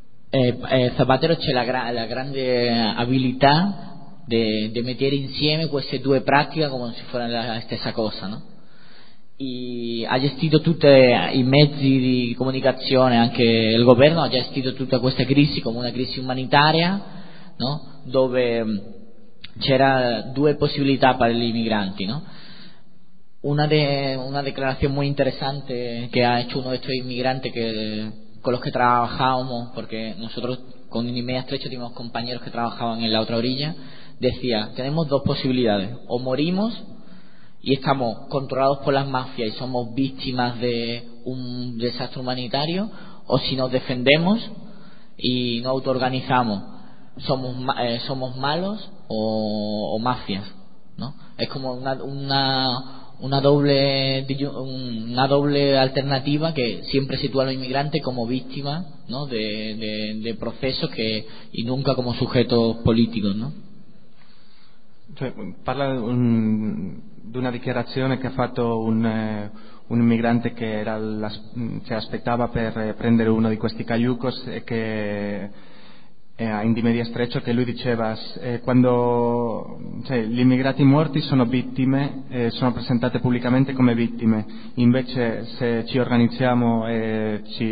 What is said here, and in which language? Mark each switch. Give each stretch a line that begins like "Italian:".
Italian: Zapatero c'è la grande abilità di mettere insieme queste due pratiche come se fossero la stessa cosa, no? E ha gestito tutti i mezzi di comunicazione, anche il governo ha gestito tutta questa crisi come una crisi umanitaria, no? Dove c'era due possibilità per gli immigranti, no? Una declarazione molto interessante che ha fatto uno di questi immigranti
Spanish: con los que trabajábamos, porque nosotros con Inimea Estrecho tenemos compañeros que trabajaban en la otra orilla, decía: tenemos dos posibilidades, o morimos y estamos controlados por las mafias y somos víctimas de un desastre humanitario, o si nos defendemos y nos autoorganizamos, somos malos o mafias, ¿no? Es como una doble alternativa que siempre sitúa a los inmigrantes como víctima, ¿no? De procesos y nunca como sujetos políticos, ¿no?
Italian: Cioè, parla di una dichiarazione che ha fatto un immigrante che era si aspettava per prendere uno di questi cayucos e che in Inimedia Estrecho, che lui diceva quando gli immigrati morti sono vittime, sono presentate pubblicamente come vittime, invece se ci organizziamo e